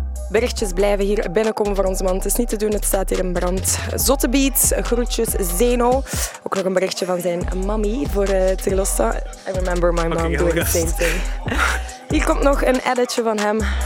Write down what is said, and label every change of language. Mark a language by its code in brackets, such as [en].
[nl] berichtjes blijven hier binnenkomen voor ons, man. Het is niet te doen, het staat hier in brand. Zotte beats, groetjes, Zeno. Ook nog een berichtje van zijn mami voor Trillosta. [en] I remember my mom doing the same thing. [nl] Hier komt nog een editje van hem.